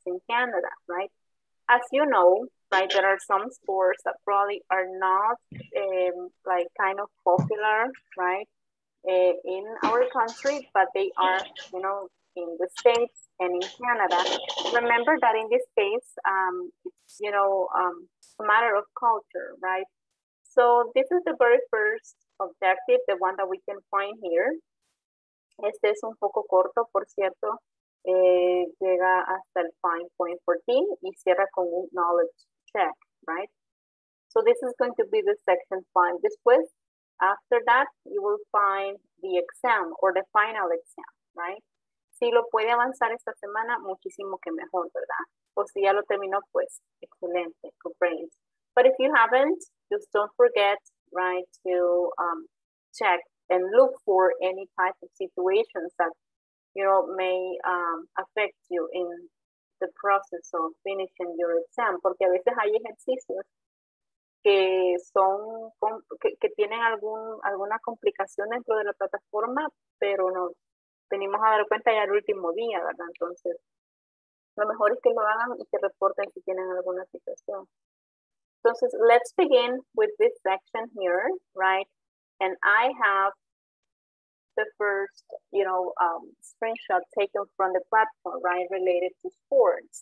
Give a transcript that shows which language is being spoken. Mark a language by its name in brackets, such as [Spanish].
[English] and Canada, right? As you know, right, there are some sports that probably are not, like, kind of popular, right, in our country, but they are, you know, in the States and in Canada. Remember that in this case, it's, you know, a matter of culture, right? So this is the very first objective, the one that we can find here. [Spanish] Este es un poco corto, por cierto. Llega hasta el 5.14 y cierra con un knowledge check, right? [English] So this is going to be the section 5. Después, after that, you will find the exam or the final exam, right? [Spanish] Si lo puede avanzar esta semana, muchísimo que mejor, ¿verdad? O si ya lo terminó, pues, excelente, [English] good brains. But if you haven't, just don't forget, right, to check and look for any type of situations that, you know, may affect you in the process of finishing your exam. [Spanish] Porque a veces hay ejercicios que son, que tienen alguna complicación dentro de la plataforma, pero nos venimos a dar cuenta ya el último día, ¿verdad? Entonces, lo mejor es que lo hagan y que reporten si tienen alguna situación. [English] Entonces, let's begin with this section here, right? And I have the first, you know, screenshot taken from the platform, right, related to sports.